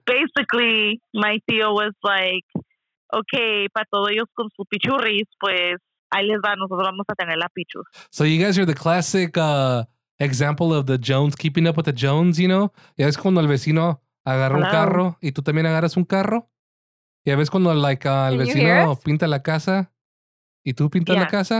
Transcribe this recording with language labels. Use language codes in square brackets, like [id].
[en] Basically, [es] my tío was like, [en] okay, [es] para todos ellos con sus pichurris, pues ahí les va, nosotros vamos a tener la pichu. [en] So you guys are the classic example of the Jones, keeping up with the Jones, you know? [es] Ya ves cuando el vecino agarra un carro y tú también agarras un carro? Ya ves cuando [en] like, [es] el vecino pinta la casa y tú pintas la casa?